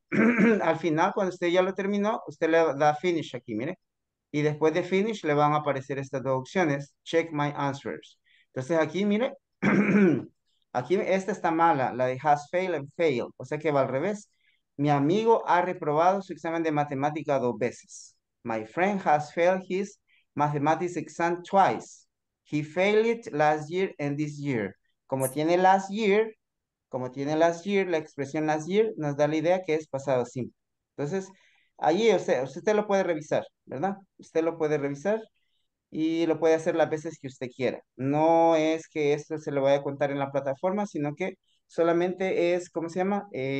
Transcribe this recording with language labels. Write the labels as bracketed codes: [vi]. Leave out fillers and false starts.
[es] Al final, cuando usted ya lo terminó, usted le da finish aquí, mire, y después de finish le van a aparecer estas dos opciones, [en] check my answers. [es] Entonces aquí, mire, aquí esta está mala, la de [en] has failed and failed, [es] o sea que va al revés. Mi amigo ha reprobado su examen de matemática dos veces. [en] My friend has failed his mathematics exam twice. He failed it last year and this year. [es] Como tiene last year, la expresión last year nos da la idea que es pasado simple. Entonces, allí usted lo puede revisar, ¿verdad? Usted lo puede revisar y lo puede hacer las veces que usted quiera. No es que esto se lo vaya a contar en la plataforma, sino que solamente es, ¿cómo se llama?